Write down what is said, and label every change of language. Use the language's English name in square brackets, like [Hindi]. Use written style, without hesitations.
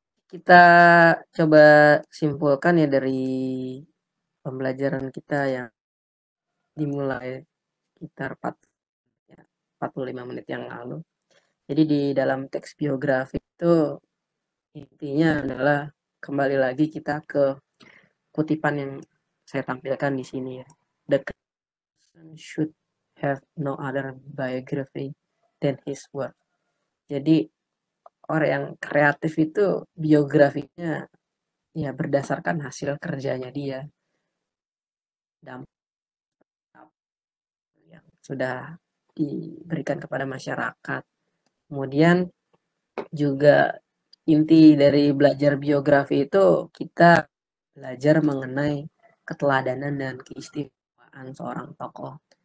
[Indonesian] Kita coba simpulkan ya dari pembelajaran kita yang dimulai sekitar 45 menit yang lalu. Jadi di dalam teks biografi itu intinya adalah kembali lagi kita ke kutipan yang saya tampilkan di sini ya. [English] The person should have no other biography than his work. [Indonesian] Jadi orang yang kreatif itu biografinya ya berdasarkan hasil kerjanya dia. Dampak yang sudah diberikan kepada masyarakat. Kemudian juga inti dari belajar biografi itu kita belajar mengenai keteladanan dan keistimewaan seorang tokoh.